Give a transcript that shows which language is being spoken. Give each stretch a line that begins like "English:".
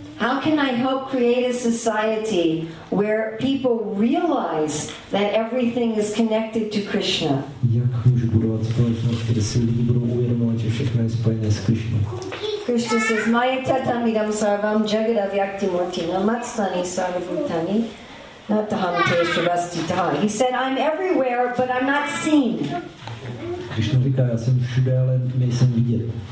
English: How can I help create a society where people realize that everything is connected to Krishna?
Czech: Jak můžu budovat společnost, kde si lidi budou uvědomovat, že všechno je spojené s Krishnou?
English: Krishna says,
Sanskrit: Maya tatam idam sarvam jagadavyakti murtina matstani sarvabhutani nataham teshvastita.
English: He said, I'm everywhere, but I'm not seen.
Czech: Krishna říká, já jsem všude, ale nejsem vidět.